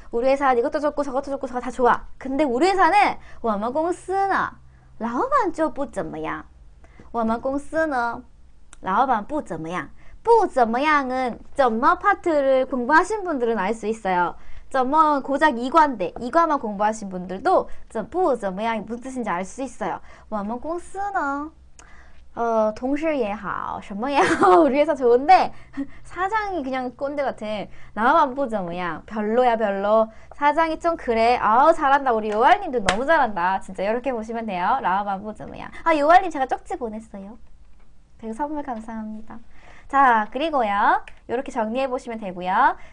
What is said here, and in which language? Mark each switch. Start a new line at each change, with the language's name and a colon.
Korean: 우리 회사는 이것도 좋고 저것도 좋고 저거 다 좋아. 근데 우리 회사는,
Chinese: 我们公司呢, 老板 就不怎么样. 我们公司呢, 老板 不怎么样，
Korean: 不怎么样은 怎么 파트를 공부하신 분들은 알수 있어요. 怎么고작 2과인데 2과만 공부하신 분들도 不怎么样이무슨 뜻인지 알수 있어요.
Chinese: 我们公司呢，同事也好，什么也好，我觉得
Korean: 좋은데 사장이 그냥 꼰대 같아. 나만 不怎么样，별로야 별로. 사장이 좀 그래. 아우 잘한다. 우리 요알님도 너무 잘한다. 진짜 이렇게 보시면 돼요. 나만 不怎么样. 아, 요알님 제가 쪽지 보냈어요. 선물 감사합니다. 자, 그리고요. 이렇게 정리해 보시면 되고요.